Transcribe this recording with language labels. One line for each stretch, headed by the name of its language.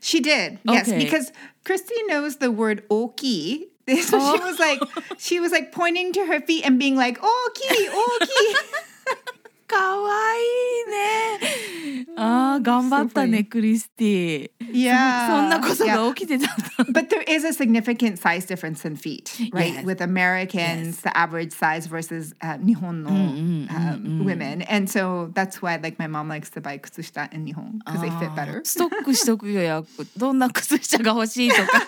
English: She did. Yes, okay. Because Christy knows the word 大きい. So she was like, she was like pointing to her feet and being like, "Oki, oki."
Japanese: Kawaiiね.Ah, 頑張ったね, Christy.
English: Yeah.
Japanese: そんなことが起きてたんだ。
English: But there is a significant size difference in feet, right? Yes. With Americans, yes. The average size versus 日本の women, and so that's why like my mom likes to buy 靴下 in 日本 because they fit better.
Japanese: ストックしとくよ。どんな靴下が欲しいとか。